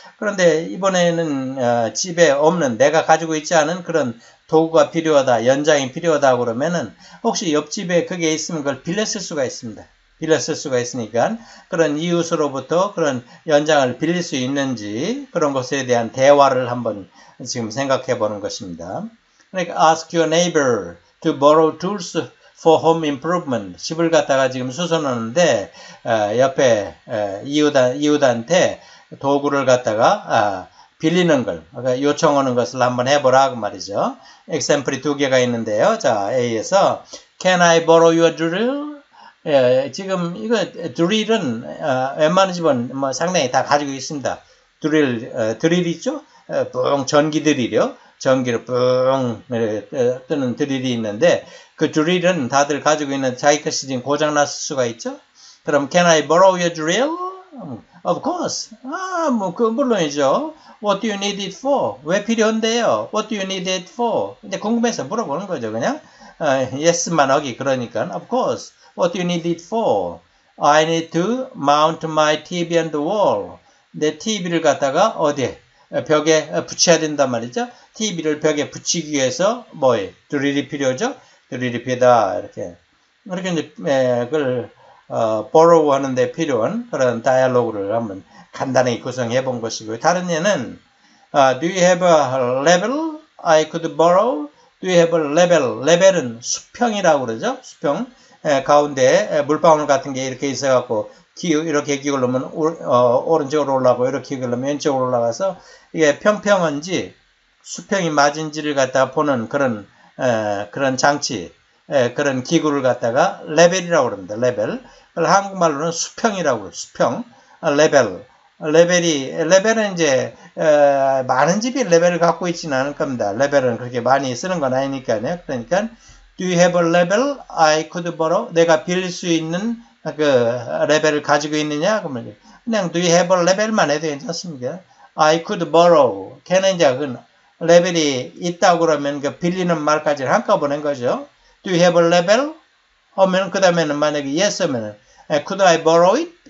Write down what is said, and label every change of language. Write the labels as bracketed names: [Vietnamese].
[Korean] 그런데 이번에는 집에 없는 내가 가지고 있지 않은 그런 도구가 필요하다, 연장이 필요하다 그러면은 혹시 옆집에 그게 있으면 그걸 빌렸을 수가 있습니다. 빌렸을 수가 있으니까 그런 이웃으로부터 그런 연장을 빌릴 수 있는지 그런 것에 대한 대화를 한번 지금 생각해 보는 것입니다. 그러니까 [English] ask your neighbor to borrow tools for home improvement. [Korean] 집을 갖다가 지금 수선하는데 옆에 이웃한테 도구를 갖다가 빌리는 걸 요청하는 것을 한번 해보라고 말이죠. 엑샘플이 두 개가 있는데요. 자, A에서 [English] Can I borrow your drill? [Korean] 지금 이거 드릴은 웬만한 집은 뭐 상당히 다 가지고 있습니다. 드릴 있죠? 뿡 전기 드릴이요. 전기로 뿡 뜨는 드릴이 있는데 그 드릴은 다들 가지고 있는 자기 것이 지금 고장 났을 수가 있죠? 그럼 [English] Can I borrow your drill? Of course. [Korean] 아, 뭐그 물론이죠. [English] What do you need it for? [Korean] 왜 필요한데요? [English] What do you need it for? [Korean] 이제 궁금해서 물어보는 거죠, 그냥. Yes만 하기 그러니까. [English] Of course. What do you need it for? I need to mount my TV on the wall. [Korean] 내 TV를 갖다가 어디에? 벽에 붙여야 된단 말이죠. TV를 벽에 붙이기 위해서 뭐에? 드릴이 필요하죠? 드릴이 필요다. 이렇게. 이렇게 이제 그걸 borrow 하는 데 필요한 그런 다이아로그를 한번 간단히 구성해 본 것이고요. 다른 예는 [English] do you have a level I could borrow? Do you have a level? [Korean] 레벨은 수평이라고 그러죠. 수평. 가운데에 물방울 같은 게 이렇게 있어갖고 이렇게 기울으면 오른쪽으로 올라가고 이렇게 기울으면 왼쪽으로 올라가서 이게 평평한지 수평이 맞은지를 갖다가 보는 그런 그런 장치, 그런 기구를 갖다가 레벨이라고 그럽니다. 레벨. 한국말로는 수평이라고 수평. 레벨. 레벨은 이제 많은 집이 레벨을 갖고 있지는 않을 겁니다. 레벨은 그렇게 많이 쓰는 건 아니니까요. 그러니까 [English] Do you have a level I could borrow? [Korean] 내가 빌릴 수 있는 그 레벨을 가지고 있느냐? 그러면 그냥 [English] Do you have a level만 [Korean] 해도 괜찮습니다. [English] I could borrow. [Korean] 걔는 이제 그 레벨이 있다고 그러면 그 빌리는 말까지 한꺼번에 한 거죠. [English] Do you have a level? [Korean] 하면 그 다음에는 만약에 [English] yes 하면 could I borrow it?